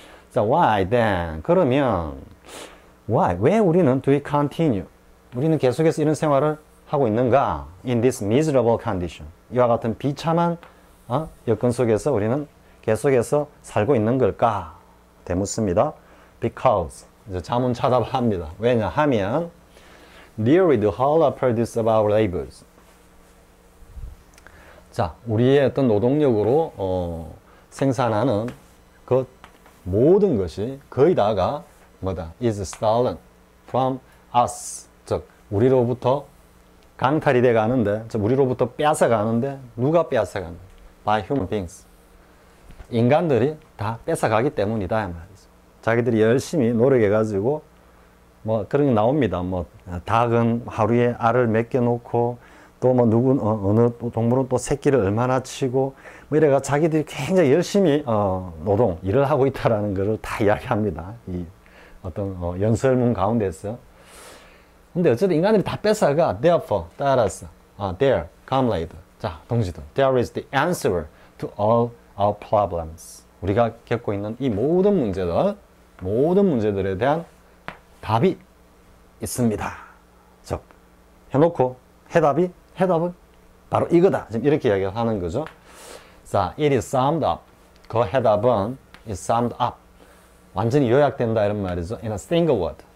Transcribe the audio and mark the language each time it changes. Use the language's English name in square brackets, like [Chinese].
[Korean] 자, [English] why then? [Korean] 그러면 [English] why? [Korean] 왜 우리는 [English] do we continue? [Korean] 우리는 계속해서 이런 생활을 하고 있는가? [English] In this miserable condition. [Korean] 이와 같은 비참한 여건 속에서 우리는 계속해서 살고 있는 걸까? 되묻습니다. [English] Because [Korean] 이제 자문차답 합니다. 왜냐 하면 [English] Nearly the whole are produced of our labors. [Korean] 자, 우리의 어떤 노동력으로 생산하는 그 모든 것이 거의 다가 뭐다? [English] Is stolen from us. [Korean] 즉 우리로부터 강탈이 돼 가는데, 저 우리로부터 뺏어 가는데, 누가 뺏어 가는? [English] By human beings. [Korean] 인간들이 다 뺏어 가기 때문이다 말이죠. 자기들이 열심히 노력해 가지고 뭐 그런 게 나옵니다. 뭐 닭은 하루에 알을 몇개 놓고, 또뭐 누구 어느 동물은 또 새끼를 얼마나 치고 뭐 이래가 자기들이 굉장히 열심히 노동 일을 하고 있다라는 것을 다 이야기합니다. 이 어떤 연설문 가운데서. 근데 어쨌든 인간들이 다 뺏어가. [English] Therefore, [Korean] 따라서. [English] There, come later. [Korean] 자, 동지들. [English] There is the answer to all our problems. [Korean] 우리가 겪고 있는 이 모든 문제들에 대한 답이 있습니다. 즉, 해놓고 해답은 바로 이거다. 지금 이렇게 이야기를 하는 거죠. 자, [English] it is summed up. [Korean] 그 해답은 [English] is summed up. [Korean] 완전히 요약된다. 이런 말이죠. [English] In a single word.